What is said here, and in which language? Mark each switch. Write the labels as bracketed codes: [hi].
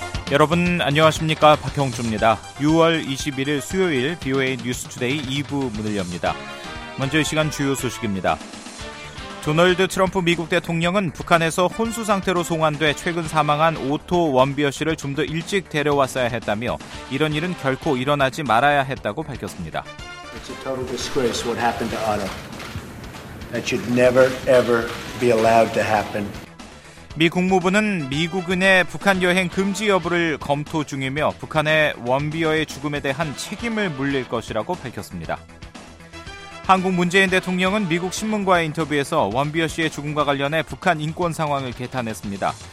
[ko] 여러분 안녕하십니까? 박형주입니다. 6월 21일 수요일 VOA News Today 2부 문을 엽니다. 먼저 이 시간 주요 소식입니다. 도널드 트럼프 미국 대통령은 북한에서 혼수 상태로 송환돼 최근 사망한 오토 원비어 씨를 좀 더 일찍 데려왔어야 했다며 이런 일은 결코 일어나지 말아야 했다고 밝혔습니다. [en] It's a total disgrace what happened to Otto. That should never ever be allowed to happen. [ko] 미 국무부는 미국인의 북한 여행 금지 여부를 검토 중이며 북한의 원비어의 죽음에 대한 책임을 물릴 것이라고 밝혔습니다. 한국 문재인 대통령은 미국 신문과의 인터뷰에서 원비어 씨의 죽음과 관련해 북한 인권 상황을 개탄했습니다.